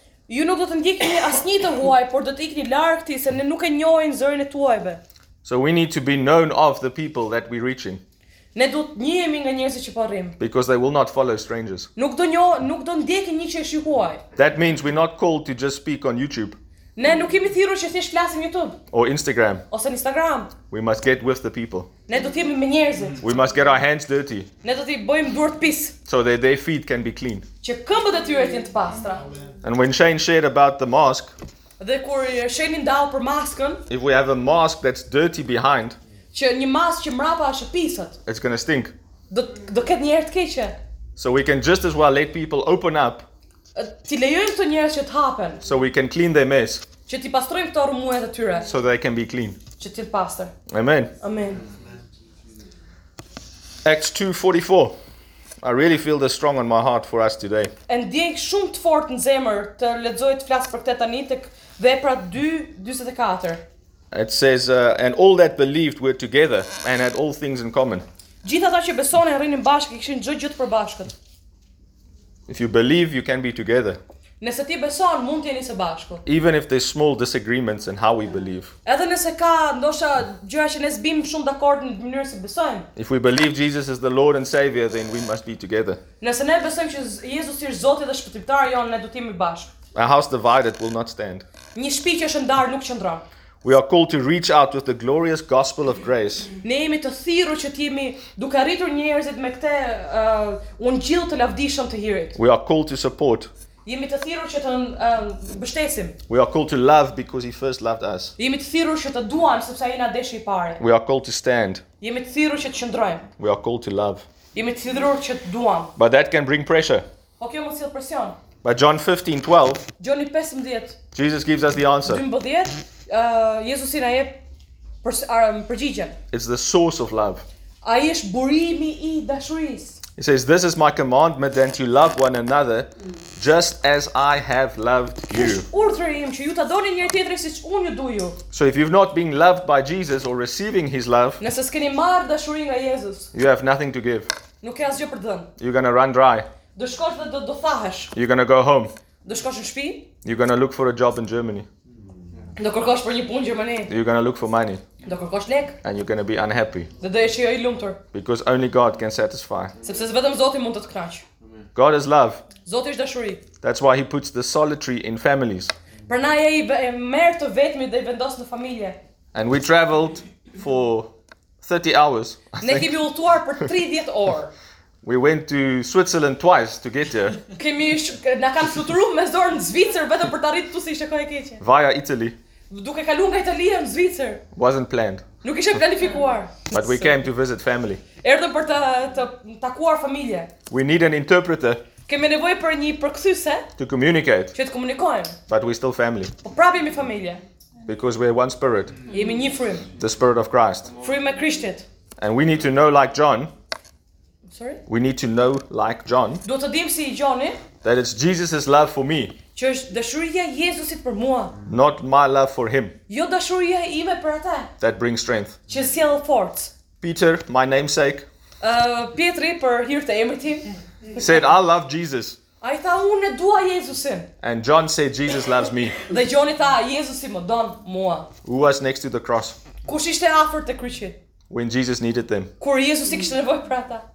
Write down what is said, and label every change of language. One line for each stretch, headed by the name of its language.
Albanian: Ju nuk do të ndjekni asnjë të huaj, por do të ikni larg tij, se ne nuk e njohin zërin e tuajve.
English: So we need to be known of the people that we're reaching.
Albanian: Ne do të njihemi nga njerëzit që po rrim.
English: Because they will not follow strangers.
Albanian: Nuk do ndjekni një që është i huaj.
English: That means we're not called to just speak on YouTube.
Albanian: Ne nuk kemi thirrur që thjesht flasim YouTube.
English: Or Instagram.
Albanian: Ose në Instagram.
English: We must get with the people.
Albanian: Ne do të jemi me njerëzit.
English: We must get our hands dirty.
Albanian: Ne do të bëjmë duart pis.
English: So that their feet can be clean.
Albanian: Që këmbët e tyre të jenë të pastra.
English: And when Shane shared about the mask.
Albanian: Dhe kur Shane ndau për maskën.
English: If we have a mask that's dirty behind.
Albanian: Që një mask që mrapa është e pisët.
English: It's gonna stink.
Albanian: Do ketë një erë të keqe.
English: So we can just as well let people open up.
Albanian: Ti lejojmë këto njerëz që të hapen.
English: So we can clean their mess.
Albanian: Që ti pastrojmë këto rrëmuet e tyre.
English: So they can be clean.
Albanian: Që ti pastër.
English: Amen.
Albanian: Amen.
English: Acts 2:44. I really feel this strong on my heart for us today.
Albanian: And ndjek shumë të fortë në zemër të lexoj të flas për këtë tani tek Veprat 2:44.
English: It says and all that believed were together and had all things in common.
Albanian: Gjithë ata që besonin rrinin bashkë, kishin çdo gjë të përbashkët.
English: If you believe, you can be together.
Albanian: Nëse ti beson, mund t'jeni së bashku.
English: Even if there's small disagreements in how we believe.
Albanian: Edhe nëse ka ndoshta gjëra që ne s'bim shumë dakord në mënyrën se besojmë.
English: If we believe Jesus is the Lord and Savior, then we must be together.
Albanian: Nëse ne besojmë që Jezusi është Zoti dhe Shpëtimtari jon, ne do të jemi bashkë.
English: A house divided will not stand.
Albanian: Një shtëpi që është ndarë nuk qëndron.
English: We are called to reach out with the glorious gospel of grace.
Albanian: Ne jemi të thirrur që jemi duke arritur njerëzit me këtë ungjill të lavdishëm të hirit.
English: We are called to support.
Albanian: Jemi të thirrur që të mbështesim.
English: We are called to love because he first loved us.
Albanian: Jemi të thirrur që të duam sepse ai na deshi parë.
English: We are called to stand.
Albanian: Jemi të thirrur që të qëndrojmë.
English: We are called to love.
Albanian: Jemi të thirrur që të duam.
English: But that can bring pressure.
Albanian: Po kjo mund të sjellë presion.
English: But John 15:12.
Albanian: Johni 15.
English: Jesus gives us the answer. 15.
Albanian: Jezusi na jep përgjigjen.
English: It's the source of love.
Albanian: Ai është burimi I dashurisë.
English: He says, "This is my commandment, then, to love one another, just as I have loved you."
Albanian: Urdhërim që ju ta doni njëri tjetrin siç unë ju duj.
English: So if you've not been loved by Jesus or receiving his love,
Albanian: nëse s'keni marrë dashurinë nga Jezus,
English: you have nothing to give.
Albanian: Nuk ke asgjë për dhënë.
English: You're gonna run dry.
Albanian: Do shkosh dhe do thahesh.
English: You're gonna go home.
Albanian: Do shkosh në shtëpi.
English: You're gonna look for a job in Germany.
Albanian: Do kërkosh për një punë në Gjermani.
English: You're gonna look for money.
Albanian: Do kërkosh lek.
English: And you're gonna be unhappy.
Albanian: Dhe do jesh jo I lumtur.
English: Because only God can satisfy.
Albanian: Sepse vetëm Zoti mund të të kënaqë.
English: God is love.
Albanian: Zoti është dashuri.
English: That's why he puts the solitary in families.
Albanian: Prandaj ai merr të vetmit dhe I vendos në familje.
English: And we traveled for 30 hours.
Albanian: Ne kemi udhëtuar për 30 orë.
English: We went to Switzerland twice to get here.
Albanian: Kemi na kanë fluturuar me zor në Zvicër vetëm për të arritur tu si ishte kohë e keqe.
English: Via Italy.
Albanian: Duke kaluar nga Italia në Zvicër.
English: Wasn't planned.
Albanian: Nuk ishte planifikuar.
English: But we came to visit family.
Albanian: Erdhëm për të takuar familje.
English: We need an interpreter.
Albanian: Kemi nevojë për një përkthyse.
English: To communicate.
Albanian: Që të komunikojmë.
English: But we still family.
Albanian: Po prapë jemi familje.
English: Because we're one spirit. Mm-hmm. The spirit of Christ. Mm-hmm. And we need to know like John. Sorry? We need to know like John. That it's Jesus' love for me.
Albanian: Që është dashuria e Jezusit për mua.
English: Not my love for him.
Albanian: Jo dashuria ime për atë.
English: That brings strength.
Albanian: Që sjell fortë.
English: Peter, my namesake.
Albanian: Pietri për hir të emrit tim.
English: Said I love Jesus.
Albanian: Ai tha unë e dua Jezusin.
English: And John said Jesus loves me.
Albanian: Dhe Johni tha Jezusi më don mua.
English: Who was next to the cross?
Albanian: Kush ishte afër të kryqit?
English: When Jesus needed them.
Albanian: Kur Jezusi kishte nevojë për ata.